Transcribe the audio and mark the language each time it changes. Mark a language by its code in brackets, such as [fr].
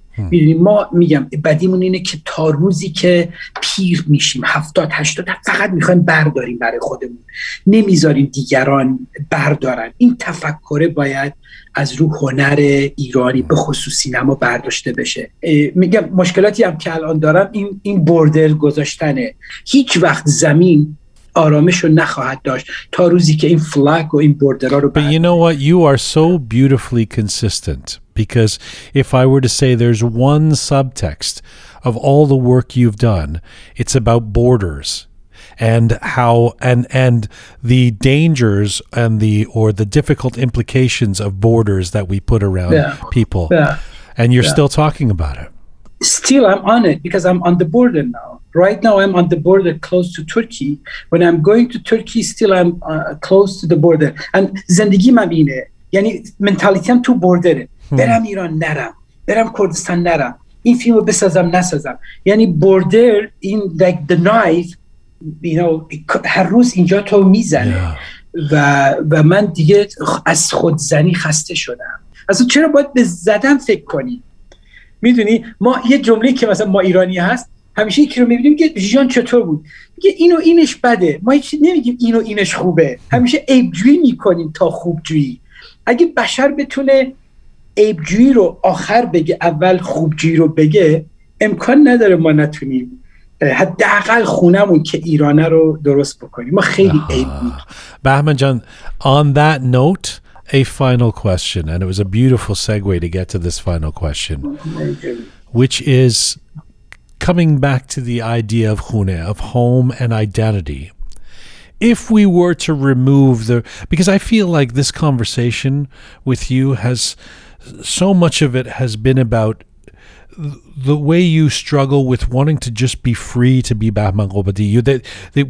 [fa] میدونی ما میگم بدیمون اینه که تا روزی که پیر میشیم 70-80 فقط میخوایم برداریم برای خودمون، نمیذاریم دیگران بردارن. این تفکره باید از رو هنر ایرانی به خصوص سینما برداشته بشه. میگم مشکلاتی هم که الان دارم این بردر گذاشتنه، هیچ وقت زمین آرامش رو نخواهد داشت تا روزی که این فلاگ و این بردرها رو بردارن. [en] But you know what, you are so beautifully consistent. Because if I were to say there's one subtext of all the work you've done, it's about borders and how and the dangers and the or the difficult implications of borders that we put around people. Yeah. And you're still talking about it. Still, I'm on it because I'm on the border now. Right now, I'm on the border close to Turkey. When I'm going to Turkey, still I'm close to the border. And [fa] زندگی من اینه. یعنی منتالیتیم تو بردره. برم ایران نرم، برم کردستان نرم، این فیلم رو بسازم نسازم، یعنی border این [en] like the knife you know [fa] هر روز اینجا تو میزنه. و من دیگه از خودزنی خسته شدم. اصلا چرا باید به زدن فکر کنی؟ میدونی ما یه جمله که مثلا ما ایرانی هست همیشه یکی رو میبینیم که جیان چطور بود، میگه اینو اینش بده، ما هیچ نمیگیم اینو اینش خوبه، همیشه عیبجویی میکنیم تا خوبجویی. اگه بشر بتونه عیبجویی رو آخر بگه، اول خوبجویی رو بگه، امکان نداره ما نتونیم حداقل خونمون که ایرانه رو درست بکنیم. ما خیلی عیب می‌کنیم. [en] بهمن جان، on that note, a final question, and it was a beautiful segue to get to this final question, which is coming back to the idea of khune, of home and identity. If we were to remove the, because I feel like this conversation with you has, so much of it has been about the way you struggle with wanting to just be free to be Bahman Ghobadi.